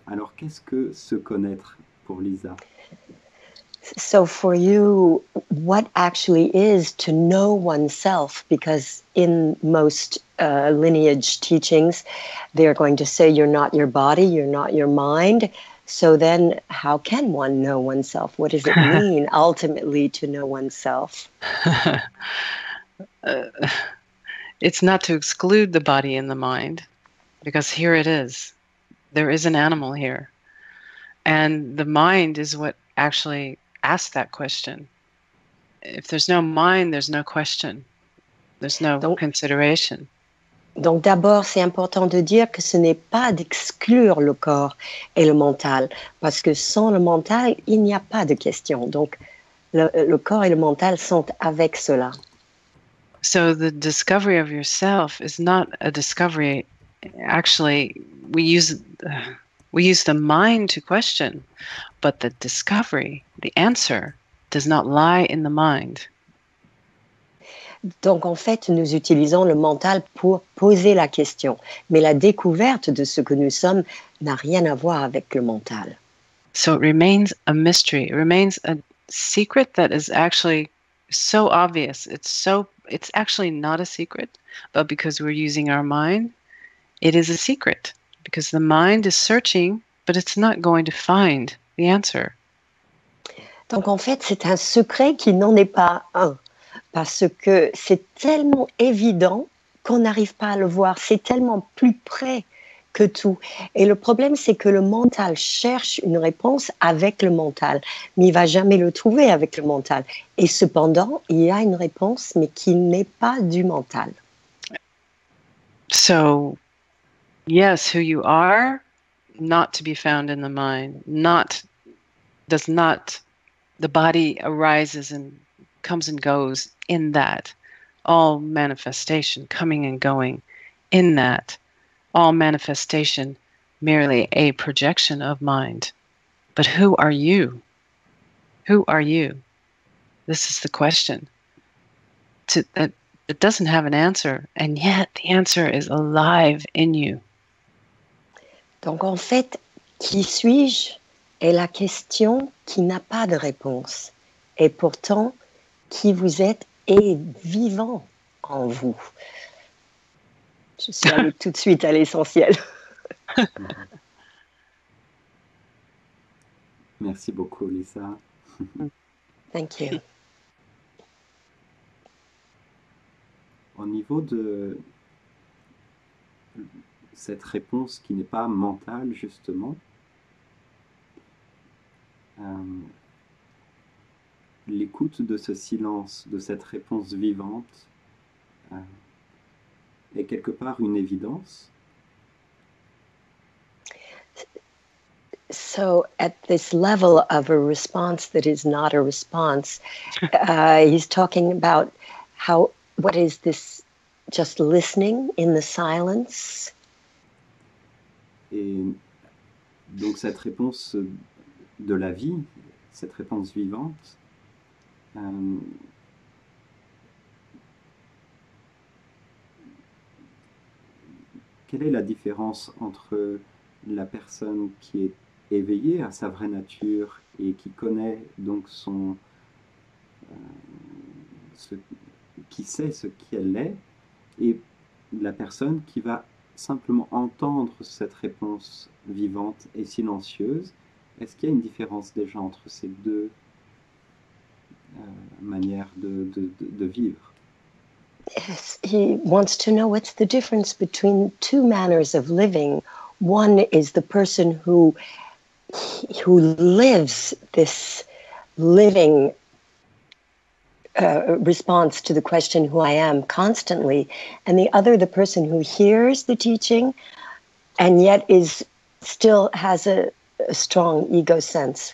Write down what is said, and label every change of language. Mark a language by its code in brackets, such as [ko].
[fr] Alors qu'est-ce que se connaître pour Lisa? [en] So for you, what actually is to know oneself? Because in most lineage teachings, they're going to say you're not your body, you're not your mind. So then how can one know oneself? What does it mean ultimately to know oneself? It's not to exclude the body and the mind, because here it is. There is an animal here. And the mind is what actually ask that question. If there's no mind, there's no question. There's no consideration. [fr] Donc d'abord, c'est important de dire que ce n'est pas d'exclure le corps et le mental, parce que sans le mental, il n'y a pas de question. Donc le corps et le mental sont avec cela. [en] So the discovery of yourself is not a discovery. Actually, we use the mind to question, but the discovery, the answer, does not lie in the mind. [fr] Donc en fait, nous utilisons le mental pour poser la question, mais la découverte de ce que nous sommes n'a rien à voir avec le mental. [en] So it remains a mystery. It remains a secret that is actually so obvious. It's actually not a secret, but because we're using our mind, it is a secret. Because the mind is searching, but it's not going to find the answer. [fr] Donc en fait, c'est un secret qui n'en est pas un. Parce que c'est tellement évident qu'on n'arrive pas à le voir. C'est tellement plus près que tout. Et le problème, c'est que le mental cherche une réponse avec le mental. Mais il ne va jamais le trouver avec le mental. Et cependant, il y a une réponse, mais qui n'est pas du mental. [en] So, yes, who you are, not to be found in the mind, the body arises and comes and goes in that, all manifestation coming and going in that, all manifestation merely a projection of mind. But who are you? Who are you? This is the question. It doesn't have an answer, and yet the answer is alive in you. [fr] Donc en fait, qui suis-je est la question qui n'a pas de réponse, et pourtant qui vous êtes et vivant en vous. Je suis allée tout de suite à l'essentiel. Merci beaucoup, Lisa. [en] Thank you. [fr] Au niveau de cette réponse qui n'est pas mentale, justement, l'écoute de ce silence, de cette réponse vivante, est quelque part une évidence. [en] So, at this level of a response that is not a response, he's talking about how, what is this, just listening in the silence? [fr] Et donc cette réponse de la vie, cette réponse vivante, quelle est la différence entre la personne qui est éveillée à sa vraie nature et qui connaît donc son ce, qui sait ce qu'elle est, et la personne qui va simplement entendre cette réponse vivante et silencieuse? Est-ce qu'il y a une différence déjà entre ces deux manières de vivre? [en] Yes, he wants to know what's the difference between two manners of living. One is the person who lives this living response to the question, who I am, constantly, and the other, the person who hears the teaching and yet is still has a strong ego sense.